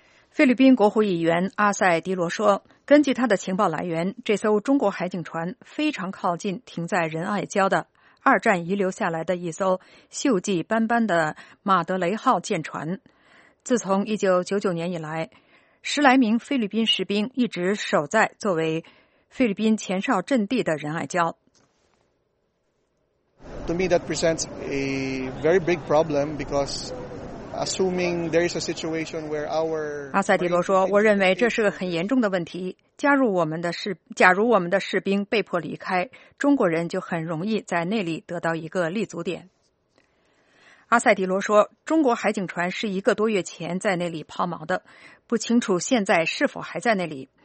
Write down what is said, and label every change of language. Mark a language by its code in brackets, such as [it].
[zh] 菲律宾国会议员阿塞迪罗说，根据他的情报来源，这艘中国海警船非常靠近停在仁爱礁的二战遗留下来的一艘锈迹斑斑的马德雷号舰船。自从1999年以来，十来名菲律宾士兵一直守在作为菲律宾前哨阵地的仁爱礁。 [en] To me, that presents a very big problem because assuming there is a situation where our [zh] 阿塞迪罗说，我认为这是个很严重的问题。假如我们的士兵被迫离开，中国人就很容易在那里得到一个立足点。阿塞迪罗说，中国海警船是一个多月前在那里抛锚的，不清楚现在是否还在那里。